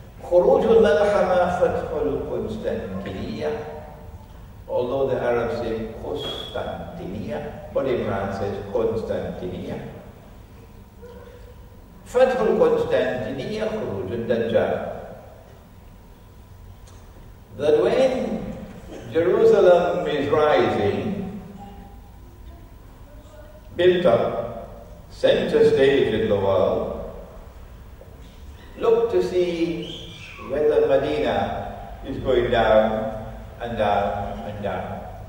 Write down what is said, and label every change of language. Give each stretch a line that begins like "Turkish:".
Arabic: خروج الملحمة فتح القسطنطينية.
English: Although the Arabs say قسطنطينية, but Imran says قسطنطينية.
Arabic: فتح القسطنطينية خروج الدجال.
English: That when Jerusalem is rising, built up, center stage in the world, look to see whether Medina is going down and down and down.